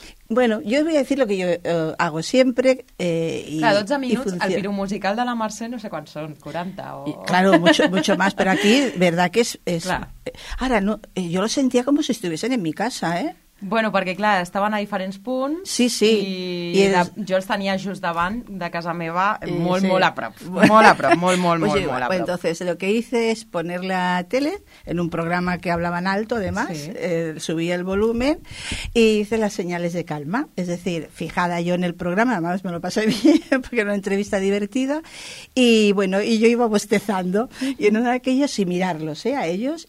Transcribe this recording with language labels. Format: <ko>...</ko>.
<es>Bueno, yo voy a decir lo que yo hago siempre. Claro, 12 minutos, al piru musical de la Mercè, no sé cuántos son, 40 o... Y, claro, mucho más, pero aquí, verdad que es claro. Ahora, no, yo lo sentía como si estuviesen en mi casa, ¿eh?</es> <ca>Bueno, perquè, clar, estaven a diferents punts. Sí, sí. I és... jo els tenia just davant de casa meva, molt, molt a prop. Molt a prop, molt a prop.</ca> <es>Entonces, lo que hice es poner la tele en un programa que hablaban alto, además. Sí. Subí el volumen y hice las señales de calma. Es decir, fijada yo en el programa, además me lo pasé bien porque era una entrevista divertida. Y bueno, y yo iba bostezando. Y en una de aquellas, sin mirarlos, a ellos.</es>